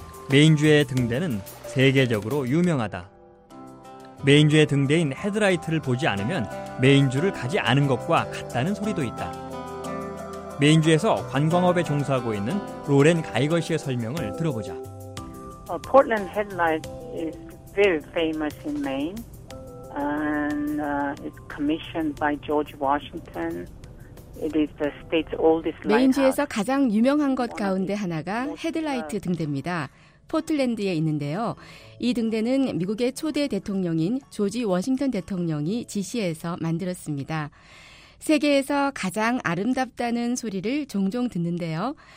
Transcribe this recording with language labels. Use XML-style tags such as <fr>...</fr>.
<ko>메인주의 등대는 세계적으로 유명하다. 메인주의 등대인 헤드라이트를 보지 않으면 메인주를 가지 않은 것과 같다는 소리도 있다. 메인주에서 관광업에 종사하고 있는 로렌 가이거 씨의 설명을 들어보자.</ko> <en>Portland Headlight is very famous in Maine, and it's commissioned by George Washington It is the state's oldest lighthouse.</en> <ko>메인지에서 가장 유명한 것 가운데 하나가 헤드라이트 등대입니다. 포틀랜드에 있는데요. 이 등대는 미국의 초대 대통령인 조지 워싱턴 대통령이 지시해서 만들었습니다. 세계에서 가장 아름답다는 소리를 종종 듣는데요.</ko>